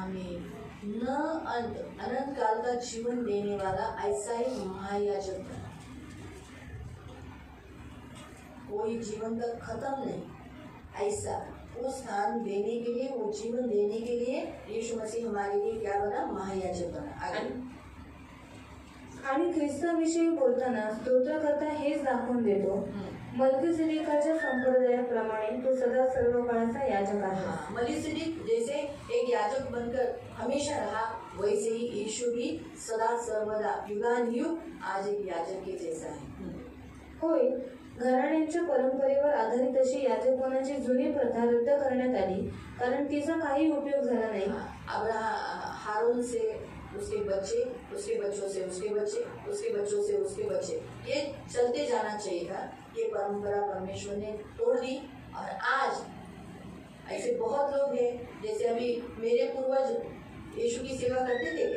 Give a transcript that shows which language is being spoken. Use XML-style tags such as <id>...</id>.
<hi>न अंत अनंत काल का जीवन देणे वाला ऐसा ही महायाजक, कोई जीवन का खत्म नहीं ऐसा वो स्थान देने के लिए वो जीवन देने के लिए यीशु मसीह हमारे लिए क्या बना महायाजक बना,</hi> <mr>आणि ख्रिस्ता विषयी बोलताना स्तोत्रकर्ता हेच दाखवून देतो मलकीसिदेकाच्या संप्रदायाप्रमाणे तो सदा सर्व काळाचा याजक आहे,</mr> <hi>मलकीसिदेक जैसे एक याजक बनकर हमेशा रहा वैसे ही येशू भी सदा सर्वदा युगानयुग आज एक याजक के जैसा है,</hi> <mr>होय घराण्यांच्या परंपरेवर आधारित अशी याजकपणाची जुनी प्रथा रद्द करण्यात आली कारण तिचा काही उपयोग झाला नाही,</mr> <hi>अब्राहम हारून से उसके बच्चे उसके बच्चों से उसके बच्चे उसके बच्चों से उसके बच्चे ये चलते जाना चाहिए था, ये परंपरा परमेश्वर ने तोड़ दी और आज ऐसे बहुत लोग हैं जैसे अभी मेरे पूर्वज येशू की सेवा करते थे,</hi>